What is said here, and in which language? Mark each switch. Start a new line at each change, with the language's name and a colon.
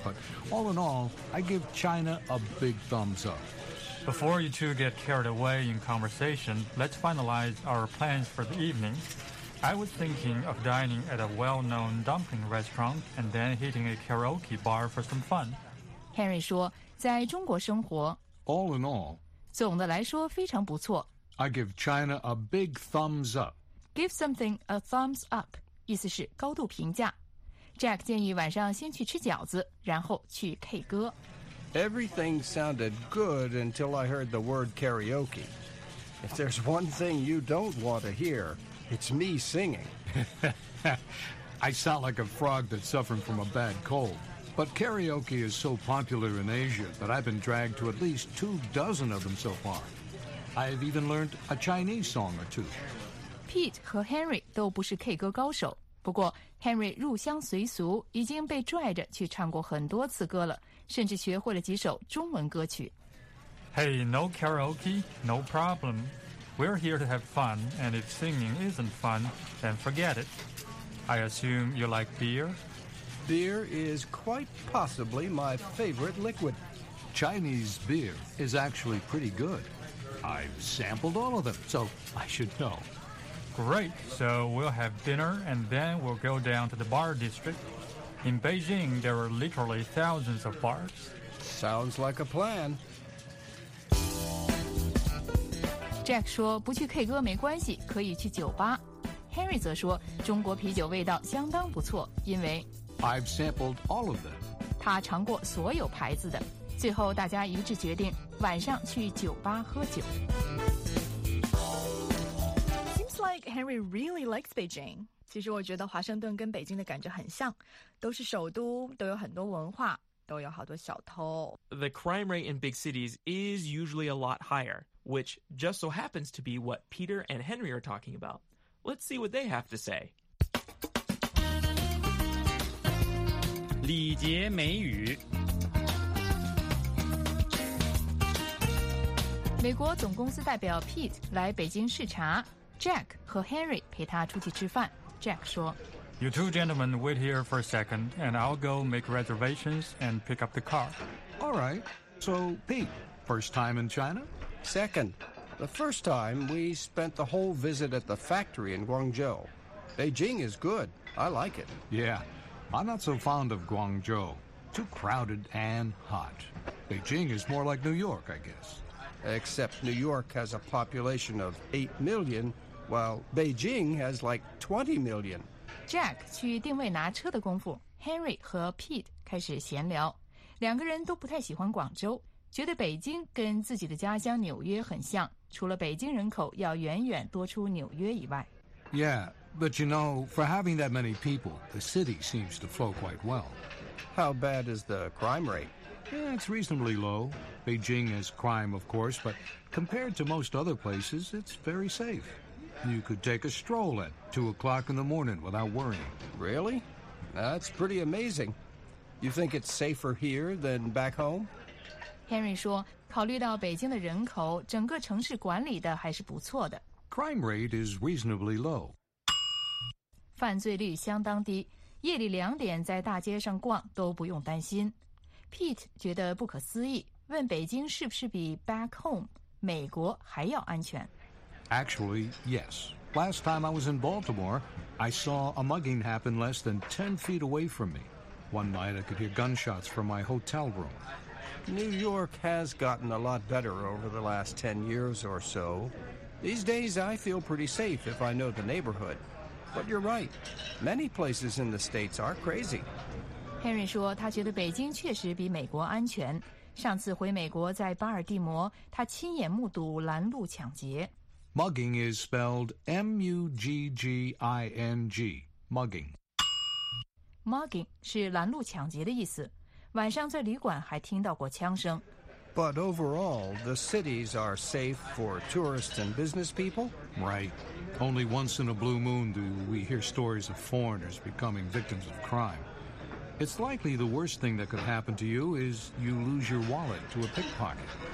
English: But all in all, I give China a big thumbs up. Before you two get carried away in conversation, let's finalize our plans for the evening. I was thinking of dining at a well-known dumpling restaurant and then hitting a karaoke bar for some fun.
Chinese: Henry 说在中国生活
English: All in all,
Chinese: 总的来说非常不错
English: I give China a big thumbs up. Give something a thumbs up,
Chinese: 意思是高度评价。 Jack 建议晚上先去吃饺子然后去 K 歌。
English: Everything sounded good until I heard the word karaoke. If there's one thing you don't want to hear... It's me singing. I sound like a frog that's suffering from a bad cold. But karaoke is so popular in Asia that I've been dragged to at least 24 of them so far. I have even learned a Chinese song or two.
Chinese: Pete 和 Henry 都不是 K 歌高手。不过 Henry 入乡随俗已经被拽着去唱过很多次歌了甚至学会了几首中文歌曲。
English: Hey, no karaoke, no problem. We're here to have fun, and if singing isn't fun, then forget it. I assume you like beer? Beer is quite possibly my favorite liquid. Chinese beer is actually pretty good. I've sampled all of them, so I should know. Great. So we'll have dinner, and then we'll go down to the bar district. In Beijing, there are literally thousands of bars. Sounds like a plan.
Chinese: Jack 说不去 K 歌没关系，可以去酒吧。Harry 则说中国啤酒味道相当不错，因为
English: I've sampled all of them.
Chinese: 他尝过所有牌子的。最后大家一致决定晚上去酒吧喝酒。
English: Seems like Harry really likes Beijing.
Chinese: 其实我觉得华盛顿跟北京的感觉很像，都是首都，都有很多文化，都有好多小偷。
English: The crime rate in big cities is usually a lot higher, which just so happens to be what Peter and Henry are talking about. Let's see what they have to say.
Chinese: 礼节美语。美国总公司代表 Pete 来北京视察， Jack 和 Harry 陪他出去吃饭。 Jack 说
English: You two gentlemen wait here for a second and I'll go make reservations and pick up the car. All right. So Pete, first time in China? Second. The first time we spent the whole visit at the factory in Guangzhou. Beijing is good. I like it. Yeah. I'm not so fond of Guangzhou. Too crowded and hot. Beijing is more like New York, I guess. Except New York has a population of 8 million, while Beijing has like 20 million.
Chinese: Jack 去定位拿车的功夫， Henry 和 Pete 开始闲聊。两个人都不太喜欢广州，觉得北京跟自己的家乡纽约很像，除了北京人口要远远多出纽约以外。
English: Yeah. But you know, for having that many people, the city seems to flow quite well. How bad is the crime rate? Yeah, it's reasonably low. Beijing has crime, of course, but compared to most other places, it's very safe. You could take a stroll at 2 o'clock in the morning without worrying. Really? That's pretty amazing. You think it's safer here than back home?
Chinese: Henry 说，考虑到北京的人口，整个城市管理的还是不错的。
English: Crime rate is reasonably low.
Chinese: 犯罪率相当低，夜里两点在大街上逛都不用担心。 Pete 觉得不可思议，问北京是不是比
English: back home
Chinese: 美国还要安全。
English: Actually, yes. Last time I was in Baltimore, I saw a mugging happen less than 10 feet away from me. One night I could hear gunshots from my hotel room. New York has gotten a lot better over the last 10 years or so. These days I feel pretty safe if I know the neighborhood. But you're right. Many places in the States are crazy.
Chinese: Henry 说他觉得北京确实比美国安全。上次回美国在巴尔的摩，他亲眼目睹拦路抢劫。
English: Mugging is spelled M-U-G-G-I-N-G, mugging.
Chinese: Mugging 是拦路抢劫的意思。晚上在旅馆还听到过枪声。
English: But overall, the cities are safe for tourists and business people? Right. Only once in a blue moon do we hear stories of foreigners becoming victims of crime. It's likely the worst thing that could happen to you is you lose your wallet to a pickpocket.